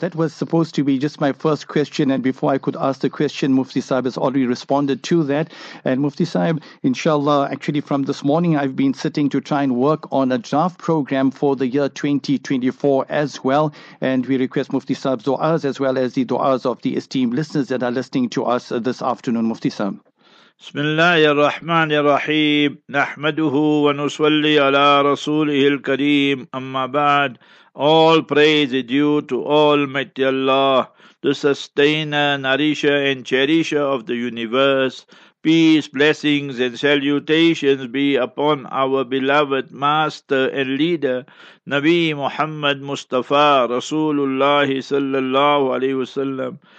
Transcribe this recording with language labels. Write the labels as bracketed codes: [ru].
[en] That was supposed to be just my first question, and before I could ask the question, Mufti Sahib has already responded to that. And Mufti Sahib, inshallah, actually from this morning I've been sitting to try and work on a draft program for the year 2024 as well, and we request Mufti Sahib's du'as as well as the du'as of the esteemed listeners that are listening to us this afternoon, Mufti Sahib. [ar] بسم الله الرحمن الرحيم نحمده ونصلي على رسوله الكريم أما بعد. [en] All praise is due to Almighty Allah, the sustainer, nourisher and cherisher of the universe. Peace, blessings and salutations be upon our beloved master and leader, Nabi Muhammad Mustafa Rasulullah sallallahu alaihi wasallam,